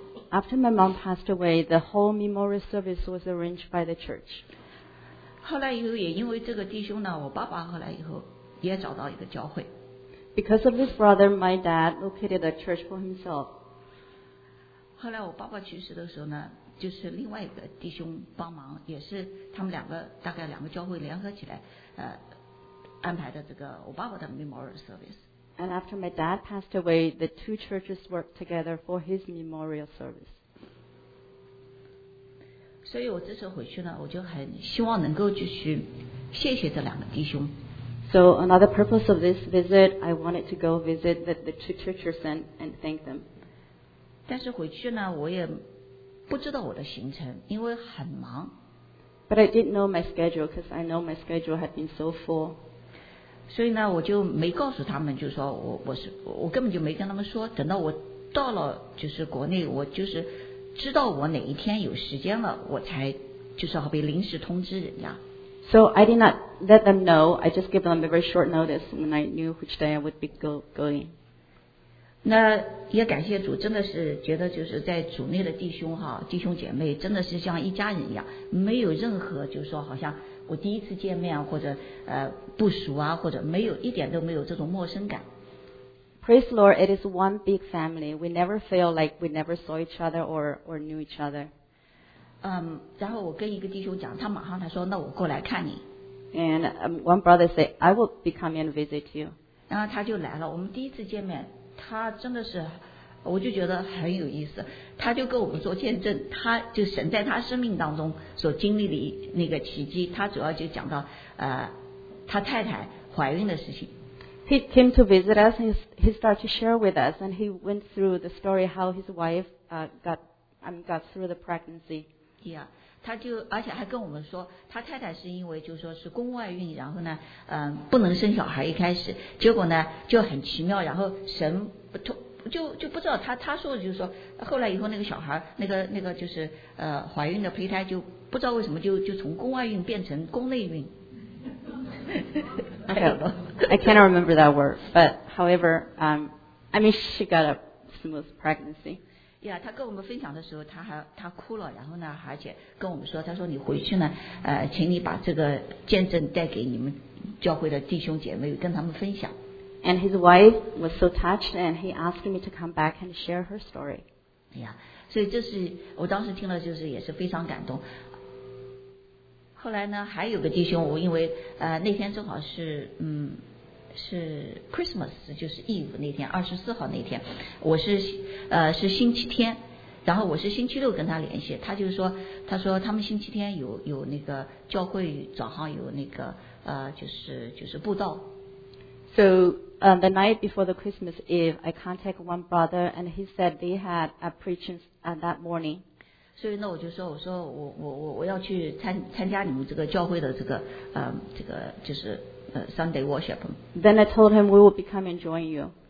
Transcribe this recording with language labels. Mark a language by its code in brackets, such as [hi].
[en] After my mom passed away, the whole memorial service was arranged by the church. [zh] 后来以后也因为这个弟兄呢，我爸爸后来以后也找到一个教会。 [en] Because of this brother, my dad located a church for himself. [zh] 后来我爸爸去世的时候呢，就是另外一个弟兄帮忙，也是他们两个大概两个教会联合起来，安排的这个我爸爸的 memorial service. [en] And after my dad passed away, the two churches worked together for his memorial service. [zh] 所以我这次回去呢，我就很希望能够继续谢谢这两个弟兄。 [en] So another purpose of this visit, I wanted to go visit the two churches and thank them. [zh] 但是回去呢，我也不知道我的行程，因为很忙。 [en] But I didn't know my schedule because I know my schedule had been so full. [zh] 所以呢，我就没告诉他们，就说我根本就没跟他们说。等到我到了就是国内，我就是知道我哪一天有时间了，我才就是好比临时通知人家。 [en] So I did not let them know. I just gave them a very short notice when I knew which day I would be going. [zh] 那也感谢主，真的是觉得就是在主内的弟兄哈，弟兄姐妹真的是像一家人一样，没有任何就是说好像我第一次见面或者不熟啊，或者没有一点都没有这种陌生感。 [en] Praise the Lord, it is one big family. We never feel like we never saw each other or knew each other. [zh] 然后我跟一个弟兄讲，他马上他说那我过来看你。 [en] And one brother said, I will be coming and visit you. [zh] 然后他就来了，我们第一次见面，他真的是，我就觉得很有意思。他就跟我们做见证，他就神在他生命当中所经历的那个奇迹，他主要就讲到他太太怀孕的事情。 [en] He came to visit us and he started to share with us and he went through the story how his wife got through the pregnancy. [zh] Yeah, 他就而且还跟我们说他太太是因为就是说是宫外孕然后呢不能生小孩一开始结果呢就很奇妙然后神就不知道他说的就是说后来以后那个小孩那个就是怀孕的胚胎就不知道为什么就从宫外孕变成宫内孕。 [en] I cannot remember that word, but however, I mean she got a smooth pregnancy. [zh] Yeah, 他跟我们分享的时候他哭了然后呢而且跟我们说他说你回去呢请你把这个见证带给你们教会的弟兄姐妹跟他们分享。 [en] And his wife was so touched and he asked me to come back and share her story. [zh] Yeah, 所以这是我当时听了就是也是非常感动。后来呢还有个弟兄我因为那天正好是是 Christmas 就是 Eve 那天24号那天我是星期天然后我是星期六跟他联系他就是说他说他们星期天有那个教会早上有那个就是布道 [en] So the night before the Christmas Eve I contacted one brother and he said they had a preaching on that morning [zh] 所以呢我就说我说我要去参加你们这个教会的这个就是Sunday worship. [en] Then I told him we will be coming and join you.